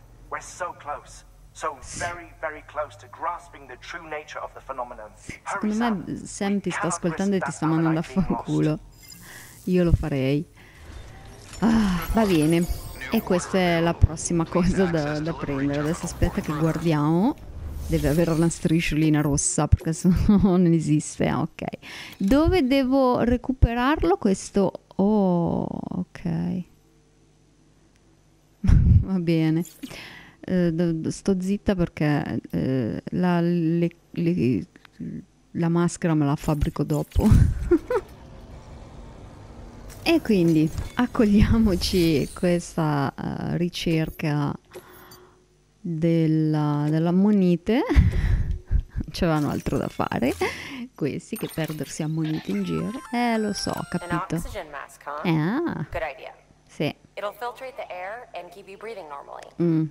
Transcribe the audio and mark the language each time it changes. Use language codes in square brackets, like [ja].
[en] We're so close, so very, very close to grasping the true nature of the phenomenon. [it] Secondo me Sam ti sta ascoltando e ti sta mandando a fanculo. Io lo farei. Ah, va bene. E questa è la prossima cosa da prendere. Adesso aspetta che guardiamo. Deve avere una strisciolina rossa, perché se no non esiste. Ok. Dove devo recuperarlo questo? Oh, ok. Va bene. Sto zitta perché la maschera me la fabbrico dopo. E quindi accogliamoci questa ricerca della ammonite. C'erano altro da fare questi che perdersi ammonite in giro. Lo so, ho capito. [en] Good idea. [it] Sì. [en] It'll filtrate the air and keep you breathing normally.